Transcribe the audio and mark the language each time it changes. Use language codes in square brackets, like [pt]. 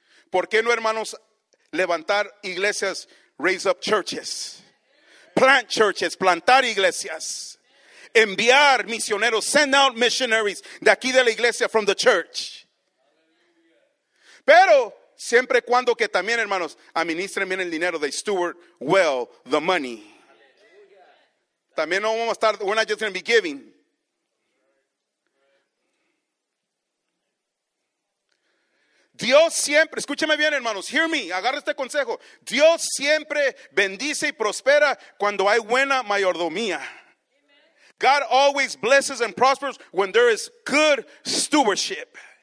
[es] ¿Por qué no, hermanos, levantar iglesias? [en] Raise up churches. Plant churches. [es] Plantar iglesias. Enviar misioneros. [en] Send out missionaries [es] de aquí de la iglesia, [en] from the church. [es] Pero siempre cuando que también, hermanos, administren bien el dinero. [en] They steward well the money. [es] También no vamos a estar, [en] we're not just going to be giving. [es] Dios siempre, escúcheme bien, hermanos, [en] hear me, [es] agarra este consejo. Dios siempre bendice y prospera cuando hay buena mayordomía. [en] God always blesses and prospers when there is good stewardship.